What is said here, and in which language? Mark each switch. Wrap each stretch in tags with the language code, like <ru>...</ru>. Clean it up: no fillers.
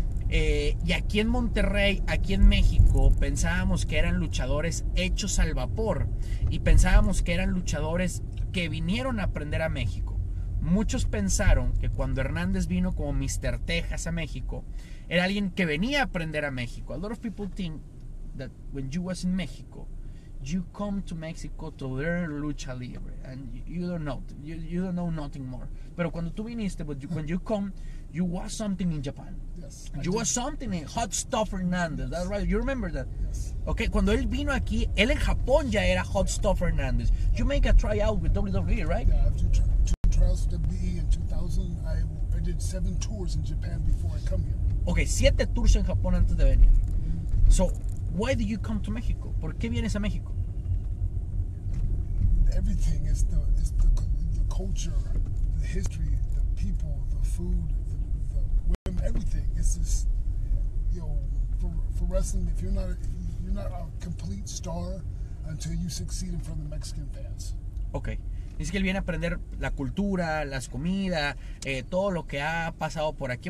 <es>Y aquí en Monterrey, aquí en México, pensábamos que eran luchadores hechos al vapor y pensábamos que eran luchadores que vinieron a aprender a México. Muchos pensaron que cuando Hernández vino como Mr. Texas a México, era alguien que venía a aprender a México.</es> <en>A lot of people think that when you was in Mexico, you come to Mexico to learn lucha libre and you don't know, you don't know nothing more.</en> <es>Pero cuando tú viniste,</es> <en>when you come, you was something in Japan. Yes, you were something in Hot Stuff Hernández. That's right. You remember that? Yes. Okay.</en> <es>Cuando él vino aquí, él en Japón ya era Hot Stuff Hernández.</es> <en>You make a tryout with WWE, right? Yeah, I have two trials with WWE in 2000. I did 7 tours in Japan before I come here.</en> <es>Okay, 7 tours en Japón antes de venir. Mm-hmm.</es> <en>So, why did you come to Mexico?</en> <es>¿Por qué vienes a México?</es> <en>Everything is the culture, the history, the people, the food. Everything. It's just, you know, for wrestling, if you're not a complete star until you succeed in front of the Mexican fans. Okay.</en> <es>Dice que él viene a aprender la cultura, las comidas, todo lo que ha pasado por aquí.</es>